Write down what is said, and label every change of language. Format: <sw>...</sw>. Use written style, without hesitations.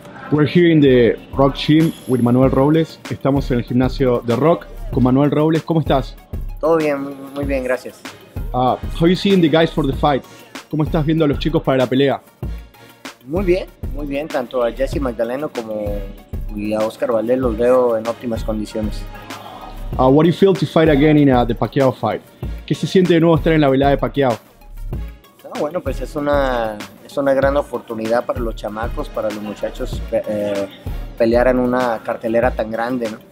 <en>We're here in the Rock Gym with Manuel Robles.</en> <es>Estamos en el gimnasio de Rock con Manuel Robles. ¿Cómo estás? Todo bien, muy bien, gracias.</es> <en>How are you seeing the guys for the fight?</en> <es>¿Cómo estás viendo a los chicos para la pelea? Muy bien, tanto a Jesse Magdaleno como a Oscar Valdez los veo en óptimas condiciones.</es> <en>What do you feel to fight again in the Pacquiao fight?</en> <es>¿Qué se siente de nuevo estar en la velada de Pacquiao? Bueno, pues es una gran oportunidad para los chamacos, para los muchachos pelear en una cartelera tan grande, ¿no?</es>